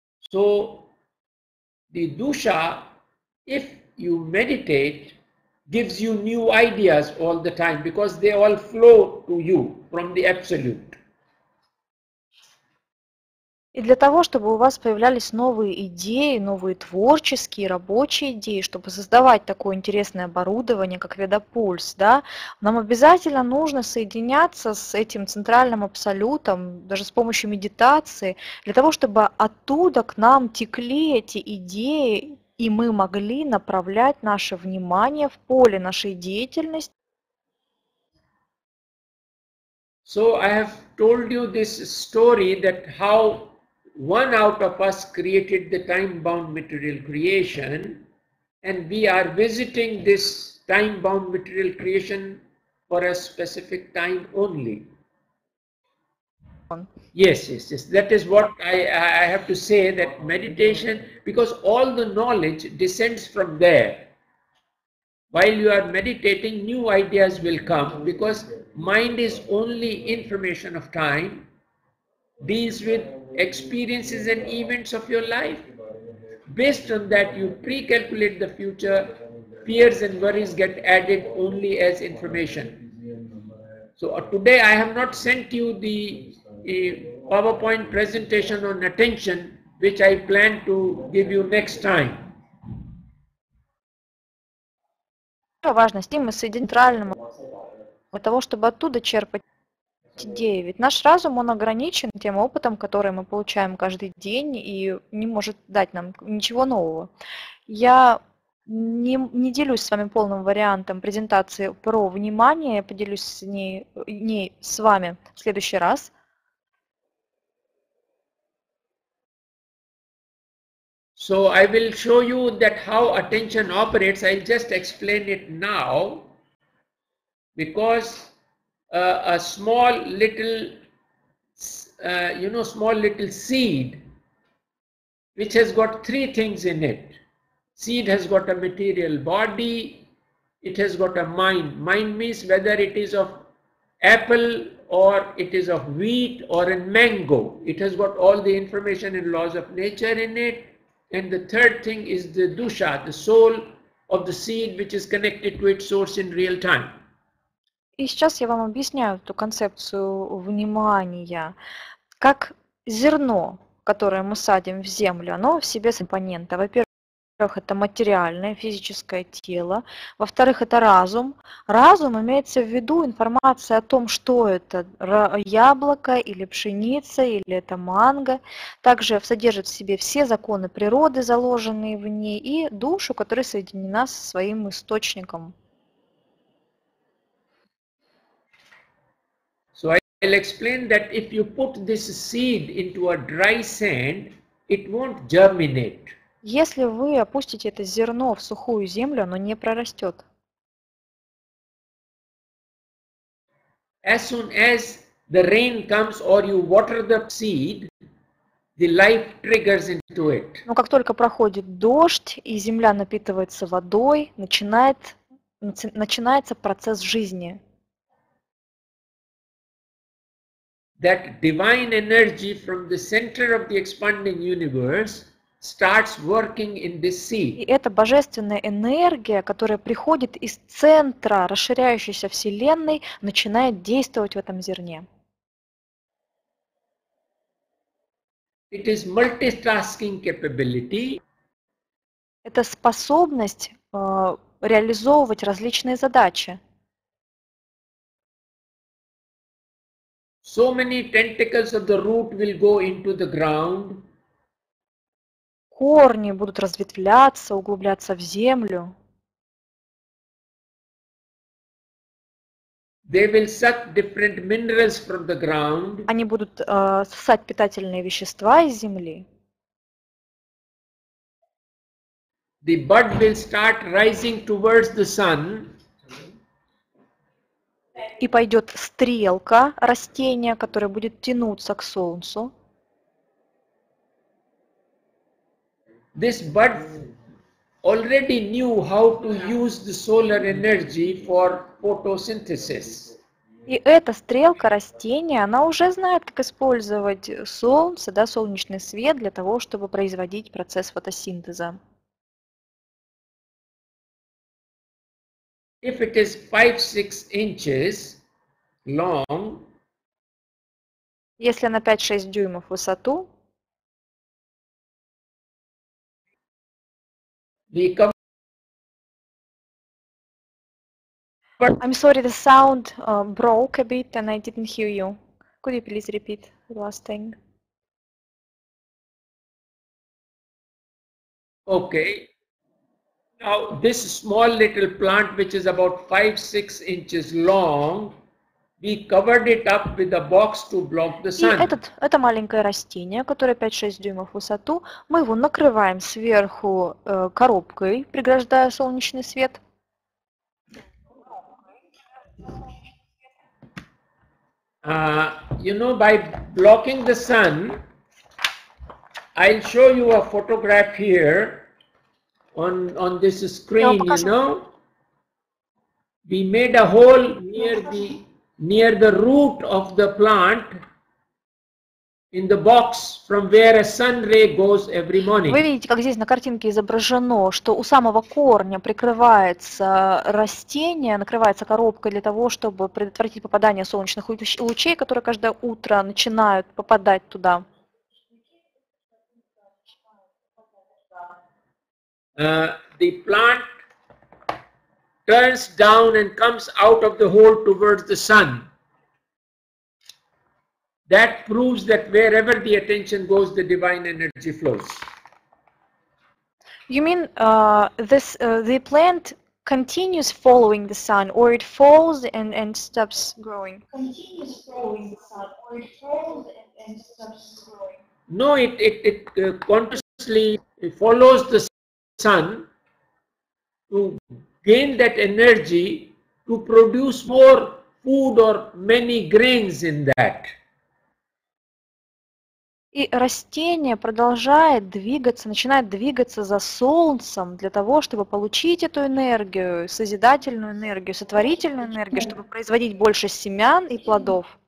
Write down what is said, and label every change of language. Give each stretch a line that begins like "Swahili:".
English: So the dusha, if you meditate, gives you new ideas all the time, because they all flow to you from the absolute.
Russian: И для того, чтобы у вас появлялись новые идеи, новые творческие, рабочие идеи, чтобы создавать такое интересное оборудование, как ведопульс, да, нам обязательно нужно соединяться с этим центральным абсолютом, даже с помощью медитации, для того, чтобы оттуда к нам текли эти идеи, и мы могли направлять наше внимание в поле нашей деятельности.
English: So I have told you this story that how one out of us created the time-bound material creation, and we are visiting this time-bound material creation for a specific time only. Yes. That is what I have to say, that meditation, because all the knowledge descends from there. While you are meditating, new ideas will come, because mind is only information of time, deals with experiences and events of your life. Based on that, you pre-calculate the future, fears and worries get added only as information. So today I have not sent you the PowerPoint presentation on attention, which I plan to give you next time.
Russian: Важность мы соединим центральным для того, чтобы оттуда черпать. Ведь наш разум, он ограничен тем опытом, который мы получаем каждый день и не может дать нам ничего нового. Я не делюсь с вами полным вариантом презентации про внимание, я поделюсь с ней с вами в следующий раз.
English: So I will show you that how attention operates. I'll just explain it now, because a small little seed, which has got three things in it. Seed has got a material body, it has got a mind. Mind means whether it is of apple or it is of wheat or in mango. It has got all the information and laws of nature in it. And the third thing is the dusha, the soul of the seed, which is connected to its source in real time.
Russian: И сейчас я вам объясняю эту концепцию внимания. Как зерно, которое мы садим в землю, оно в себе компонента. Во-первых, это материальное, физическое тело. Во-вторых, это разум. Разум имеется в виду информация о том, что это яблоко или пшеница, или это манго. Также содержит в себе все законы природы, заложенные в ней, и душу, которая соединена со своим источником.
English: I'll explain that if you put this seed into a dry sand, it won't germinate.
Russian: Если вы опустите это зерно в сухую землю, оно не прорастет.
English: as soon as the rain comes or you water the seed, the life triggers into it.
Russian: Но как только проходит дождь и земля напитывается водой, начинается процесс жизни.
English: That divine energy from the center of the expanding universe starts working in this seed.
Russian: И эта божественная энергия, которая приходит из центра расширяющейся вселенной, начинает действовать в этом зерне.
English: It is multitasking capability.
Russian: Это способность реализовывать различные задачи.
English: So many tentacles of the root will go into the ground.
Russian: Корни будут разветвляться, углубляться в землю.
English: They will suck different minerals from the ground.
Russian: Они будут сосать питательные вещества из земли.
English: The bud will start rising towards the sun.
Russian: И пойдет стрелка растения, которая будет тянуться к солнцу.
English: This bud already knew how to use the solar energy for photosynthesis.
Russian: И эта стрелка растения, она уже знает, как использовать солнце, да, солнечный свет для того, чтобы производить процесс фотосинтеза.
English: If it is 5-6 inches long,
Russian: если она 5-6 дюймов в высоту,
English: I'm sorry, the sound broke a bit and I didn't hear you. Could you please repeat the last thing? Okay. Now, this small little plant, which is about 5-6 inches long, we covered it up with a box to block the sun.
Russian: И это маленькое растение, которое 5-6 дюймов в высоту, мы его накрываем сверху коробкой, преграждая солнечный свет.
English: You know, by blocking the sun, I'll show you a photograph here on this screen, you know. We made a hole near the root of the plant in the box from where a sun ray goes every morning.
Russian: Вы видите, как здесь на картинке изображено, что у самого корня прикрывается растение, накрывается коробка для того, чтобы предотвратить попадание солнечных лучей, которые каждое утро начинают попадать туда.
English: The plant turns down and comes out of the hole towards the sun. That proves that wherever the attention goes, the divine energy flows. You mean the plant continues following the sun, or it falls and stops growing? Continues following the sun, or it falls and stops growing? No, it consciously follows the sun to gain that energy to produce more food or many grains in that.
Russian: И растение продолжает двигаться, начинает двигаться за солнцем для того, чтобы получить эту энергию, созидательную энергию, сотворительную энергию, чтобы производить больше семян и плодов.